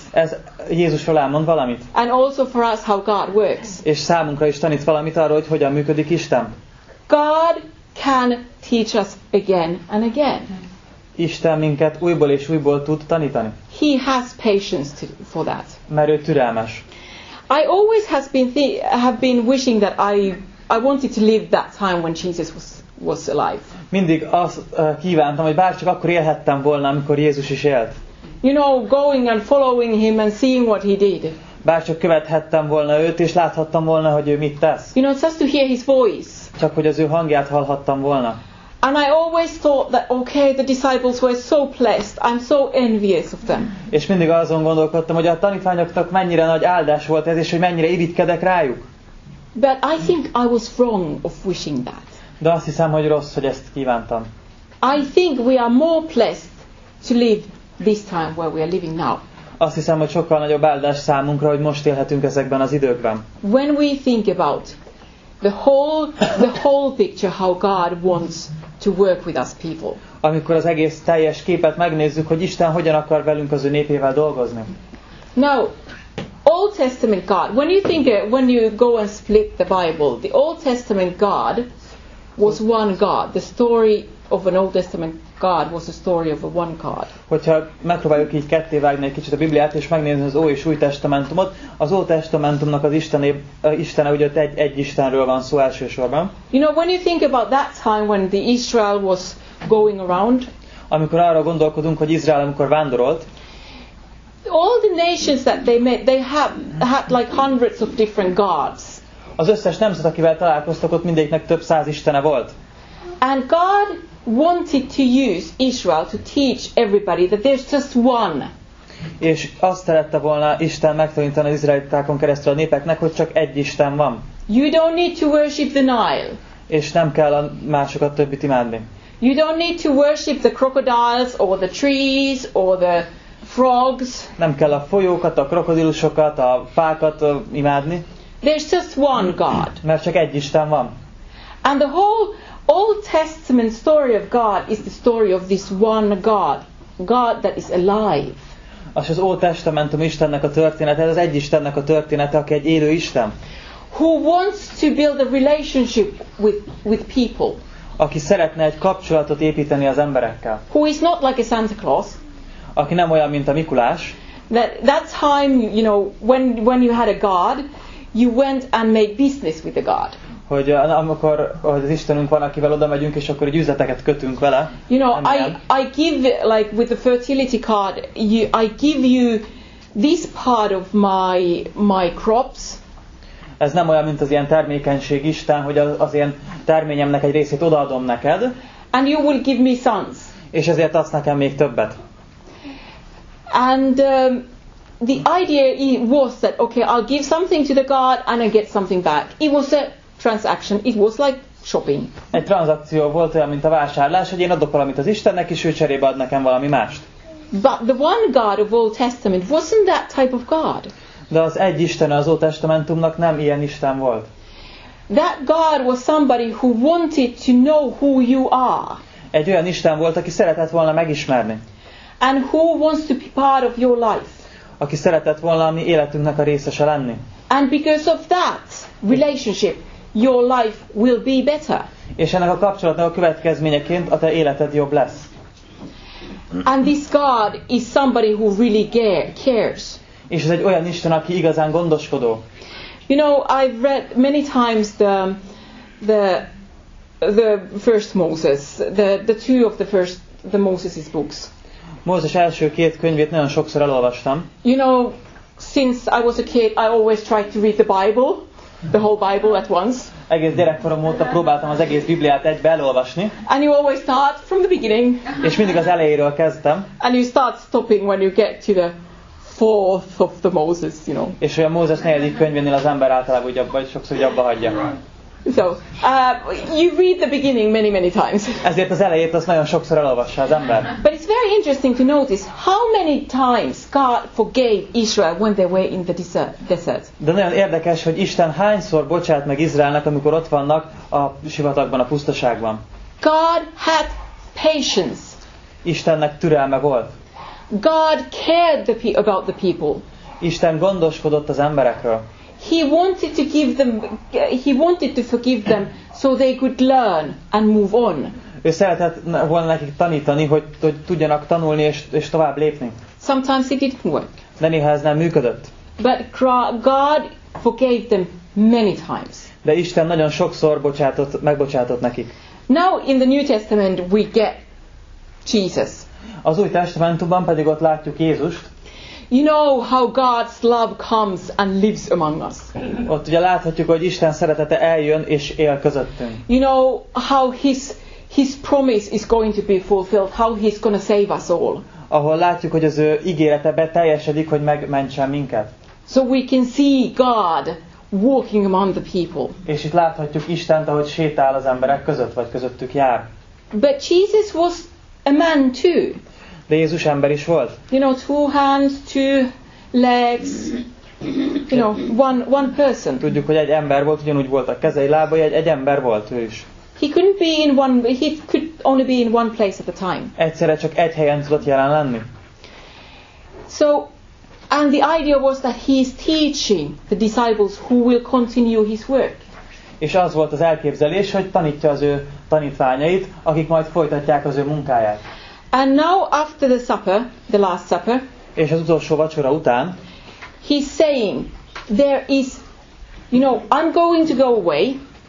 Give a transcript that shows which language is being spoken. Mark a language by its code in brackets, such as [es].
[hu] Ez Jézusról elmond valamit. [en] And also for us how God works. [hu] És számunkra is tanít valamit arról, hogy hogyan működik Isten. [en] God can teach us again and again. [hu] Isten minket újból és újból tud tanítani. [en] He has patience for that. [hu] Mert ő türelmes. [en] I always have been wishing that I wanted to live that time when Jesus was alive. [hu] Mindig azt kívántam, hogy bárcsak akkor élhettem volna, amikor Jézus is élt. [en] You know, going and following him and seeing what he did. [hu] Bárcsak követhettem volna őt, és láthattam volna, hogy ő mit tesz. [en] You know, just to hear his voice. [hu] Csak hogy az ő hangját hallhattam volna. [en] And I always thought that okay, the disciples were so blessed. I'm so envious of them. [hu] És mindig azon gondolkodtam, hogy a tanítványoknak mennyire nagy áldás volt ez, és hogy mennyire irigykedek rájuk. [en] But I think I was wrong of wishing that. [hu] De azt hiszem, hogy rossz, hogy ezt kívántam. [en] I think we are more blessed to live this time where we are living now. [hu] Azt hiszem, hogy sokkal nagyobb áldás számunkra, hogy most élhetünk ezekben az időkben. [en] When we think about the whole picture how God wants to work with us people. [hu] Amikor az egész teljes képet megnézzük, hogy Isten hogyan akar velünk az ő népével dolgozni. [en] Now, Old Testament God, when you go and split the Bible, the Old Testament God was one God. The story of an Old Testament God was a story of a one God. [hu] Hogyha megpróbáljuk így ketté vágni egy kicsit a Bibliát és megnézni az Ó és Új Testamentumot, az Ó Testamentumnak az Istene ugye egy Istenről van szó elsősorban. [en] You know, when you think about that time when the Israel was going around, [hu] amikor arra gondolkodunk, hogy Izrael amikor vándorolt, [en] all the nations that they met, they had like hundreds of different gods. [hu] Az összes nemzet, akivel találkoztak, ott mindegyiknek több száz istene volt. [en] And God wanted to use Israel to teach everybody that there's just one. [hu] És azt szerette volna Isten megtanítani az izraelitákon keresztül a népeknek, hogy csak egy Isten van. [en] You don't need to worship the Nile. [hu] És nem kell a másokat többit imádni. [en] You don't need to worship the crocodiles or the trees or the frogs. [hu] Nem kell a folyókat, a krokodilusokat, a fákat imádni. [en] There's just one God. [hu] Mert csak egy Isten van. [en] And the whole Old Testament story of God is the story of this one God, God that is alive. [hu] És az Old Testamentum Istennek a története, ez az egy Istennek a története, aki egy élő Isten. [en] Who wants to build a relationship with people? [hu] Aki szeretne egy kapcsolatot építeni az emberekkel. [en] Who is not like a Santa Claus? [hu] Aki nem olyan, mint a Mikulás. [en] That time, you know, when you had a God, you went and made business with the God. [hu] Hogy amikor az Istenünk van, akivel oda megyünk, és akkor egy üzleteket kötünk vele. [en] You know, I give like with the fertility card, I give you this part of my crops. [hu] Ez nem olyan, mint az ilyen termékenység Isten, hogy az ilyen terményemnek egy részét odaadom neked. [en] And you will give me sons. [hu] És ezért adsz nekem még többet. [en] And the idea was that okay, I'll give something to the God and I get something back. It was a transaction. It was like shopping. [hu] Egy tranzakció volt olyan, mint a vásárlás, hogy én adok valamit az Istennek, és ő cserébe ad nekem valami mást. [en] But the one God of Old Testament wasn't that type of God. [hu] De az egy Isten az Old Testamentumnak nem ilyen Isten volt. [en] That God was somebody who wanted to know who you are. [hu] Egy olyan Isten volt, aki szeretett volna megismerni. [en] And who wants to be part of your life. [hu] Aki szeretett volna a mi életünknek a részese lenni. [en] And because of that relationship, your life will be better. [hu] És ennek a kapcsolatnak a következményeként a te életed jobb lesz. [en] And this God is somebody who really cares. [hu] És ez egy olyan Isten, aki igazán gondoskodó. [en] You know, I've read many times the first Moses, the two of the first the Moses's books. [hu] Mózes első két könyvét nagyon sokszor elolvastam. [en] You know, since I was a kid, I always tried to read the Bible, the whole Bible at once. [hu] Egész gyerekkorom óta próbáltam az egész Bibliát egybe elolvasni. [en] And you always start from the beginning. [hu] És mindig az elejéről kezdtem. [en] And you start stopping when you get to the fourth of the Moses, you know. [hu] És olyan Mózes negyedik könyvénél az ember általában úgy abba, sokszor úgy abba hagyja. [en] So, you read the beginning many, many times. [hu] Ezért az elejét azt nagyon sokszor elolvassa az ember. [en] But it's very interesting to notice how many times God forgave Israel when they were in the desert. [hu] De nagyon érdekes, hogy Isten hányszor bocsát meg Izraelnek, amikor ott vannak a sivatagban, a pusztaságban. [en] God had patience. [hu] Istennek türelme volt. [en] God cared about the people. [hu] Isten gondoskodott az emberekről. [en] He wanted to forgive them so they could learn and move on. [hu] Ő szeretett volna nekik tanítani, hogy tudjanak tanulni és tovább lépni. [en] Sometimes it didn't work. [hu] De néha ez nem működött. [en] But God forgave them many times. [hu] De Isten nagyon sokszor megbocsátott nekik. [en] Now in the New Testament we get Jesus. [hu] Az Új Testamentumban pedig ott látjuk Jézust. [en] You know how God's love comes and lives among us. [hu] Ott ugye láthatjuk, hogy Isten szeretete eljön és él közöttünk. [en] You know how his promise is going to be fulfilled, how he's going to save us all. [hu] Ahol látjuk, hogy az ő ígérete beteljesedik, hogy megmentsen minket. [en] So we can see God walking among the people. [hu] És itt láthatjuk Istent, ahogy sétál az emberek között, vagy közöttük jár. [en] But Jesus was a man too. [hu] De Jézus ember is volt. [en] You know, two hands, two legs, you know, one person. [hu] Tudjuk, hogy egy ember volt, ugyanúgy volt a kezei, lábai, egy ember volt ő is. [en] He could only be in one place at a time. [hu] Egyszerre csak egy helyen tudott jelen lenni. [en] So, and the idea was that he is teaching the disciples who will continue his work. [hu] És az volt az elképzelés, hogy tanítja az ő tanítványait, akik majd folytatják az ő munkáját. [en] And now after the supper, the last supper, [hu] és az utolsó vacsora után, [en] he's saying, there is, you know, I'm going to go away.